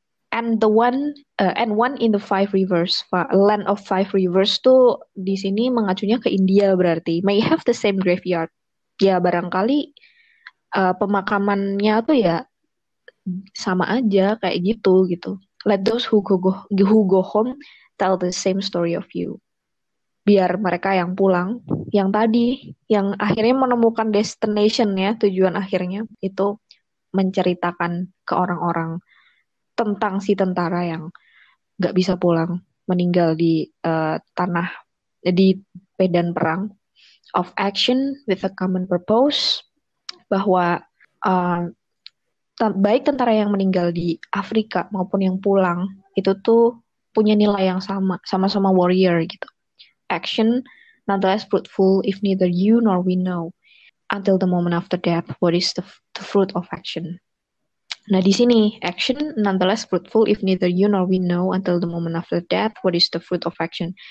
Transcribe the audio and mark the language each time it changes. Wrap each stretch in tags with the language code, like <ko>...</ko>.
<en>And the one and one in the five rivers, land of five rivers</en> <id>tuh di sini mengacunya ke India berarti.</id> <en>May have the same graveyard.</en> <id>Ya barangkali pemakamannya tuh ya sama aja kayak gitu gitu.</id> <en>Let those who go home tell the same story of you.</en> <id>Biar mereka yang pulang, yang tadi, yang akhirnya menemukan destination-nya, tujuan akhirnya, itu menceritakan ke orang-orang tentang si tentara yang gak bisa pulang, meninggal di tanah, di medan perang.</id> <en>Of action with a common purpose,</en> <id>bahwa baik tentara yang meninggal di Afrika maupun yang pulang itu tuh punya nilai yang sama, sama-sama warrior gitu.</id> <en>Action nonetheless fruitful if neither you nor we know until the moment of the death what is the fruit of action.</en> <id>Nah, di sini</id> <en>action nonetheless fruitful if neither you nor we know until the moment of the death what is the fruit of action.</en>